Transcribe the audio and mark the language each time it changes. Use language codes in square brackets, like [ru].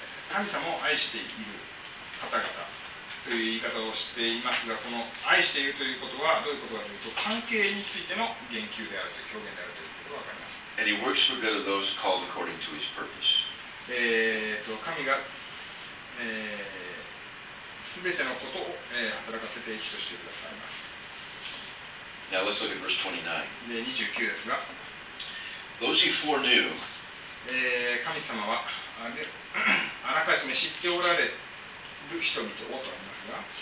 [ja] 神様を愛している方々。という言い方をしていますが、この愛しているということはどういうことかというと、関係についての言及であるという表現であるということがわかります。 [en] And he works for good of those called according to his purpose. [ja] 神が、全てのことを、働かせて生きとしてくださいます。 [en] Now let's look at verse 29. [ja] で、29ですが、 [en] Those he foreknew, [ja] 神様は あらかじめ知っておられる人々をとありますが、